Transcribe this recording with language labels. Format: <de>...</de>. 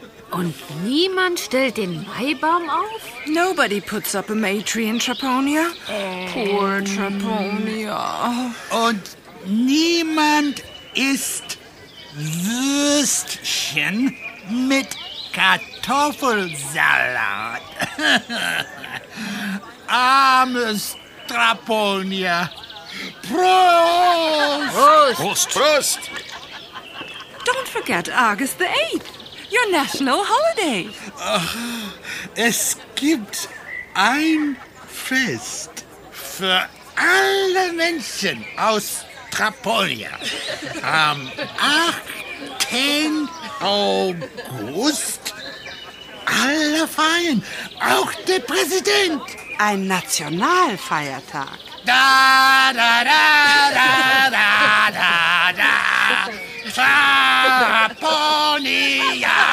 <de>Und niemand stellt den Maibaum auf?</de> <en>Nobody puts up a May tree in Traponia. Poor Traponia.</en> <de>Und niemand isst Würstchen mit Kartoffelsalat. Armes Traponia. Prost! Prost! Prost! Prost!</de> <en>Don't forget August the 8th, your national holiday.</en> <de>Ach, es gibt ein Fest für alle Menschen aus Traponia. Am 18. August alle feiern, auch der Präsident. Ein Nationalfeiertag. Da, da, da, da, da, da, da, Traponia.</de>